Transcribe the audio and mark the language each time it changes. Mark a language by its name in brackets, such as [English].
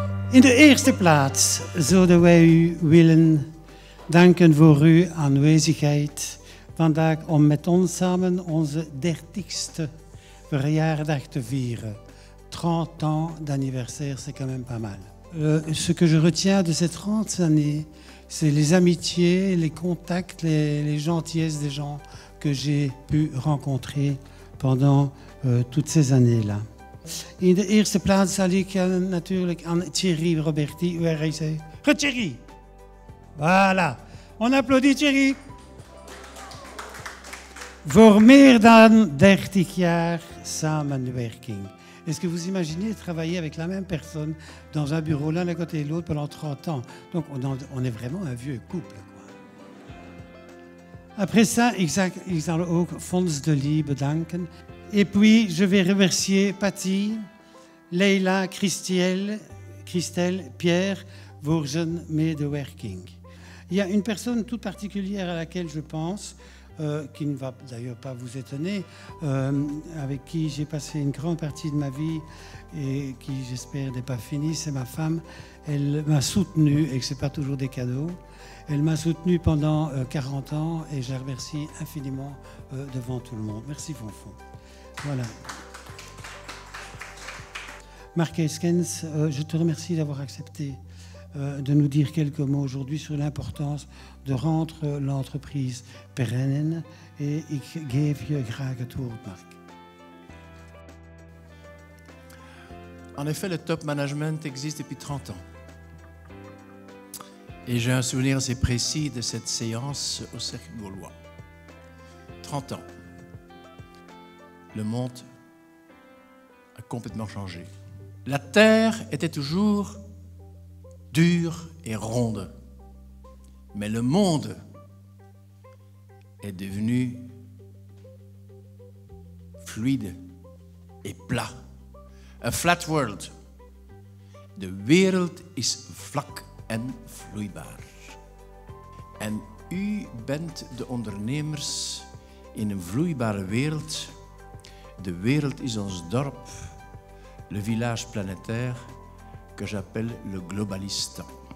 [Dutch] In de eerste plaats zouden wij u willen danken voor uw aanwezigheid vandaag om met ons samen onze 30ste verjaardag te vieren. [French] 30 ans d'anniversaire, c'est quand même pas mal. Ce que je retiens de ces 30 années, c'est les amitiés, les contacts, les gentillesses des gens que j'ai pu rencontrer pendant toutes ces années-là. [Dutch] In de eerste plaats zal ik natuurlijk aan Thierry Roberti, waar hij zei... [French] Thierry! Voilà. On applaudit Thierry. [Dutch] Voor meer dan 30 jaar samenwerking. [French] Est-ce que vous imaginez travailler avec la même personne dans un bureau l'un à côté de l'autre pendant 30 ans? Donc on est vraiment un vieux couple. Quoi. Après ça, [Dutch] ik zal ook Fons de Lee bedanken... [French] Et puis, je vais remercier Patty, Leila, Christelle, Pierre, vos jeunes medewerking. Il y a une personne toute particulière à laquelle je pense, qui ne va d'ailleurs pas vous étonner, avec qui j'ai passé une grande partie de ma vie et qui, j'espère, n'est pas finie, c'est ma femme. Elle m'a soutenu, et ce n'est pas toujours des cadeaux, elle m'a soutenu pendant 40 ans et je la remercie infiniment devant tout le monde. Merci, Fonfon. Voilà. Marc Eskens, je te remercie d'avoir accepté de nous dire quelques mots aujourd'hui sur l'importance de rendre l'entreprise pérenne. [Dutch] Et ik geef je graag het woord, Marc. [French] En effet, le top management existe depuis 30 ans. Et j'ai un souvenir assez précis de cette séance au Cercle Gaulois. 30 ans. Le monde a complètement changé. La terre était toujours dure et ronde. Mais le monde est devenu fluide et plat. [English] A flat world. [Dutch] De wereld is vlak en vloeibaar. En u bent de ondernemers in een vloeibare wereld. De wereld is ons dorp, [French] le village planétaire, que j'appelle le globalistan.